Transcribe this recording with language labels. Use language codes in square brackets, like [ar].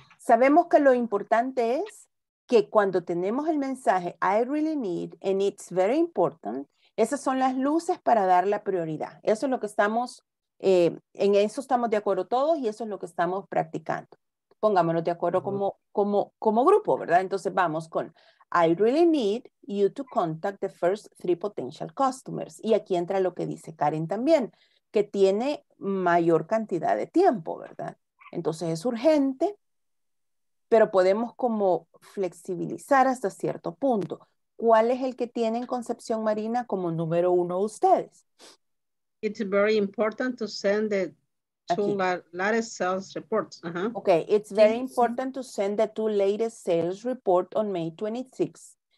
[es] Sabemos que lo importante es que cuando tenemos el mensaje, [en] I really need and it's very important, [es] esas son las luces para dar la prioridad. Eso es lo que estamos, en eso estamos de acuerdo todos y eso es lo que estamos practicando. Pongámonos de acuerdo como grupo, ¿verdad? Entonces vamos con, [en] I really need you to contact the first 3 potential customers. [es] Y aquí entra lo que dice Karen también, que tiene mayor cantidad de tiempo, ¿verdad? Entonces es urgente, pero podemos como flexibilizar hasta cierto punto. ¿Cuál es el que tienen Concepción Marina como número 1 ustedes? [en] It's very important to send the two latest sales reports. Okay, it's very important to send the two latest sales report on May 26th.